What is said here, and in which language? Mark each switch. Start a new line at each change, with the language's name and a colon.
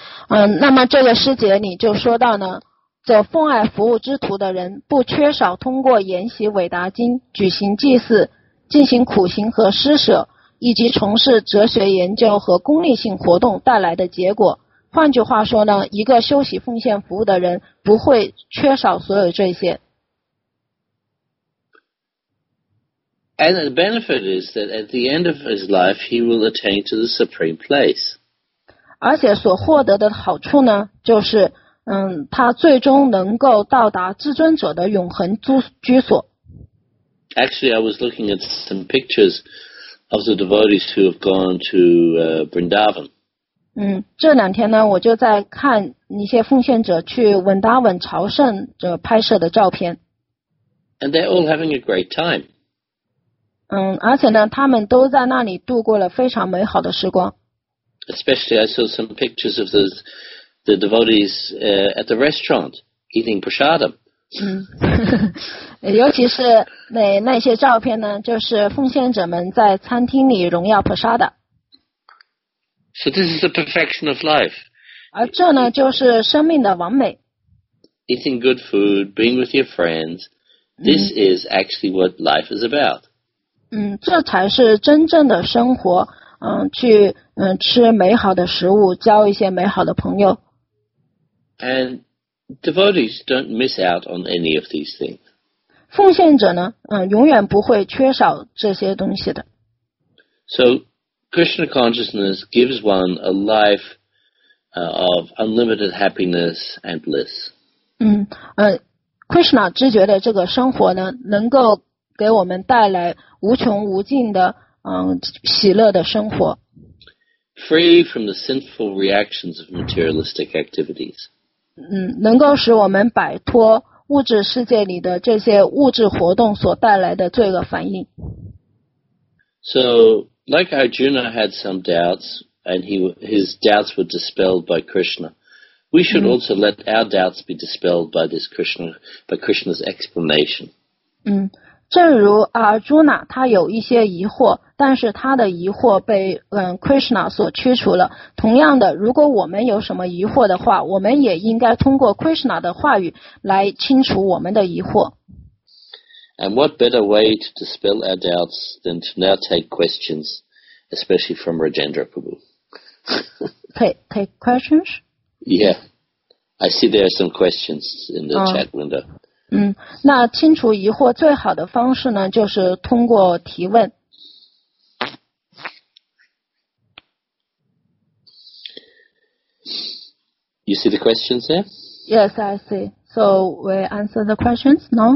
Chinese: 那么这个诗节里就说到呢，走奉爱服务之途的人不缺少通过研习韦达经、举行祭祀、进行苦行和施舍。以及从事哲学研究和功利性活动带来的结果。换句话说呢，一个修习奉献服务的人不会缺少所有这些。
English: And the benefit is that at the end of his life, he will attain to the supreme place.
Chinese: 而且所获得的好处呢，就是他最终能够到达至尊者的永恒居所。
English: Actually, I was looking at some pictures of the devotees who have gone to Vrindavan.
Chinese: 这两天呢，我就在看一些奉献者去文达文朝圣者拍摄的照片。
English: And they're all having a great time.
Chinese: 而且呢，他们都在那里度过了非常美好的时光。
English: Especially, I saw some pictures of the devotees at the restaurant eating prasadam.
Chinese: 尤其是那些照片呢，就是奉献者们在餐厅里荣耀普沙的。
English: So this is the perfection of life.
Chinese: 而这呢，就是生命的完美。
English: Eating good food, being with your friends, this is actually what life is about.
Chinese: 这才是真正的生活。去吃美好的食物，交一些美好的朋友。
English: And devotees don't miss out on any of these things.
Chinese: 奉献者呢，永远不会缺少这些东西的。
English: So,Krishna consciousness gives one a life of unlimited happiness and bliss.
Chinese: Krishna 知觉的这个生活呢，能够给我们带来无穷无尽的喜乐的生活。
English: Free from the sinful reactions of materialistic activities.
Chinese: 能够使我们摆脱物质世界里的这些物质活动所带来的罪恶反应。
English: So,Like Arjuna had some doubts, and his doubts were dispelled by Krishna. We should also let our doubts be dispelled by Krishna's explanation.
Chinese: 正如Arjuna他有一些疑惑，但是他的疑惑被Krishna 所驱除了。同样的，如果我们有什么疑惑的话，我们也应该通过 Krishna 的话语来清除我们的疑惑。
English: And what better way to dispel our doubts than to now take questions, especially from Rajendra Prabhu? take questions? Yeah. I see there are some questions in the chat window.
Chinese: 那清除疑惑最好的方式呢，就是通过提问。
English: You see the questions there? Yes, I see. So we answer the questions, no?